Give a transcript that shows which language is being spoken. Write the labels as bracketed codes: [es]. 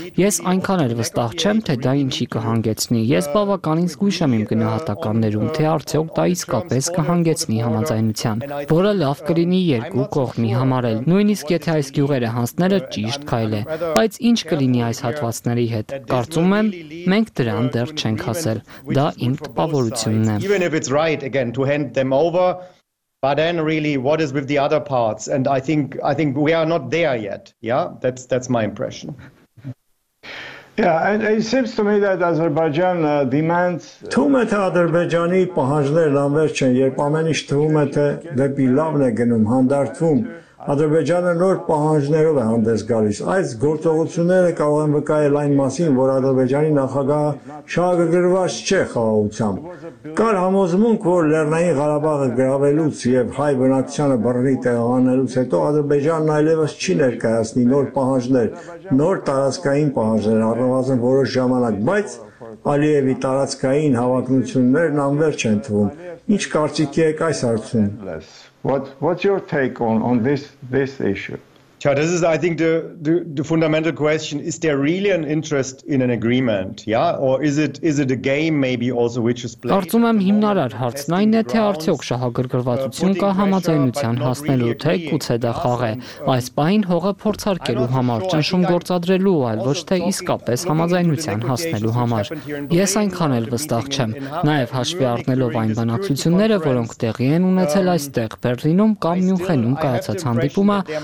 [hy] Ես այնքան էլ վստահ չեմ, թե դա ինչի կհանգեցնի։ Ես բավականին զգույշ եմ իմ գնահատականներում, թե արդյոք դա իսկապես կհանգեցնի համաձայնության, որը լավ կլինի երկու կողմի համար էլ, նույնիսկ եթե այս գյուղերը հանձնելը ճիշտ քայլ է։ Բայց ինչ կլինի այս հատվածների հետ, կարծում եմ, մենք դրան դեռ չենք հասել, դա իմ տպավորությունն է։ [en] But then really, what is with the other parts? And I think we are not there yet. Yeah, that's my impression. Yeah, and it seems to me that Azerbaijan demands... [hy] Թումըթ ադրբեջանի պահանջներ լանվեր չեն, երբ ամեն ինչ թումըթը դեպի լավն է գնում, հանդարդվում, ադրբեջանը նոր պահանջներով է հանդես գալիս. Այս գործողությունները կարող են վկայել այն մասին, որ ադրբեջանի նախագահը շահագրգռված չէ խաղաղությամբ. Կար համոզմունք, որ Լեռնային Ղարաբաղը գրավելուց եւ հայ բնակչությանը բռնի տեղանելուց հետո ադրբեջանն այլևս չի ներկայացնի նոր պահանջներ, նոր տարածքային պահանջներ առնվազն որոշ ժամանակ, բայց Ալիևի տարածքային հավակնություններն անվերջ են թվում։ Ինչ կարծիք եք այս հարցում? [en] What's your take on this issue? So this is, I think, the fundamental question: is there really an interest in an agreement, yeah, or is it a game maybe also which is played? [hy] Կարծում եմ հիմնարար հարցն այն է, թե արդյոք շահագրգռվածություն կա համաձայնության հասնելու, թե գուցե դա խաղ է այս պահին հողը փորձարկելու համար, ճնշում գործադրելու, այլ ոչ թե իսկապես համաձայնության հասնելու համար։ Ես այնքան էլ վստահ չեմ, նաև հաշվի առնելով այն բանակցությունները, որոնք տեղի են ունեցել այստեղ Բեռլինում կամ Մյունխենում կայացած հանդիպումը,